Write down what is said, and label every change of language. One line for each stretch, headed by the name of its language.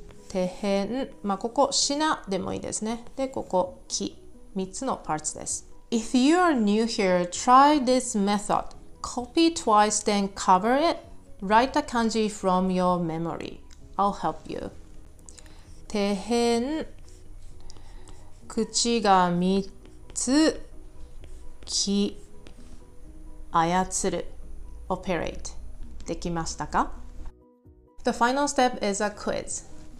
Japanese: てへん、まあ、ここしなでもいいですね。で、ここき、3つのパーツです。
English: If you are new here, try this method. Copy twice, then cover it. Write a kanji from your memory. I'll help you.
Japanese: てへん、口が3つ、き、操る、operate、できましたか？
English: The final step is a quiz.